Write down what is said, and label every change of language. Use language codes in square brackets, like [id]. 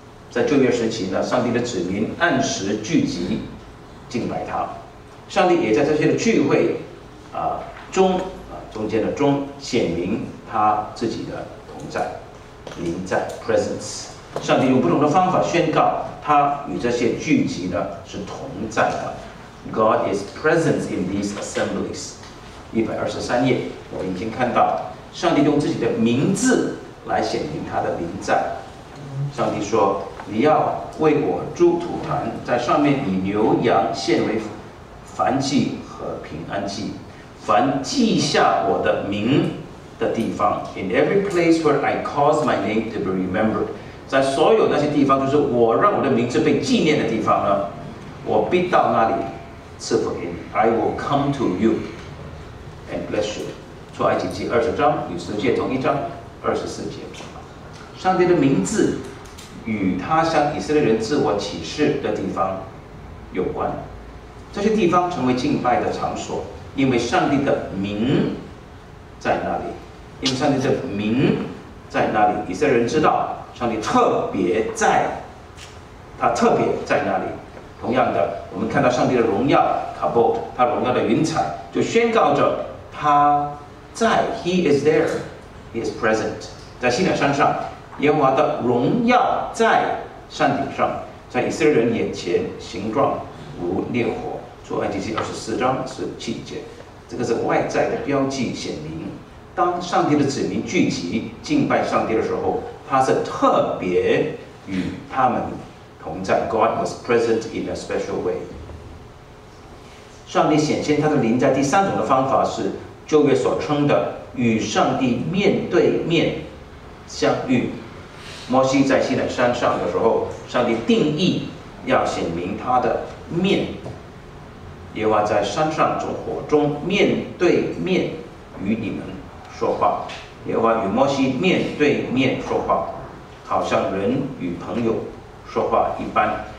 [zh] 在旧约时期呢，上帝的子民按时聚集敬拜他，上帝也在这些的聚会中间的中显明他自己的同在、临在 presence。上帝用不同的方法宣告他与这些聚集呢是同在的。 [en] God is present in these assemblies。 [zh] 123页，我已经看到上帝用自己的名字来显明他的临在。上帝说，你要为我筑土坛，在上面以牛羊献为燔祭和平安祭，凡记下我的名的地方， [en] in every place where I cause my name to be remembered， [zh] 在所有那些地方，就是我让我的名字被纪念的地方呢，我必到那里赐福给你。 [en] I will come to you and bless you。 [zh] 出埃及记20章与十诫同一章24节，上帝的名字与他向以色列人自我启示的地方有关，这些地方成为敬拜的场所，因为上帝的名在那里，因为上帝的名在那里，以色列人知道上帝特别在，他特别在那里。同样的，我们看到上帝的荣耀 Kabod， 他荣耀的云彩就宣告着他在， [en] He is there, He is present。 [zh] 在西乃山上，耶和华的荣耀在山顶上，在以色列人眼前形状如烈火，出埃及记24章17节。这个是外在的标记显明，当上帝的子民聚集敬拜上帝的时候，他是特别与他们同在。 [en] God was present in a special way。 [zh] 上帝显现他的临在第三种的方法是旧约所称的与上帝面对面相遇。摩西在西乃山上的时候，上帝定义要显明他的面，耶和华在山上从火中面对面与你们说话，耶和华与摩西面对面说话，好像人与朋友说话一般。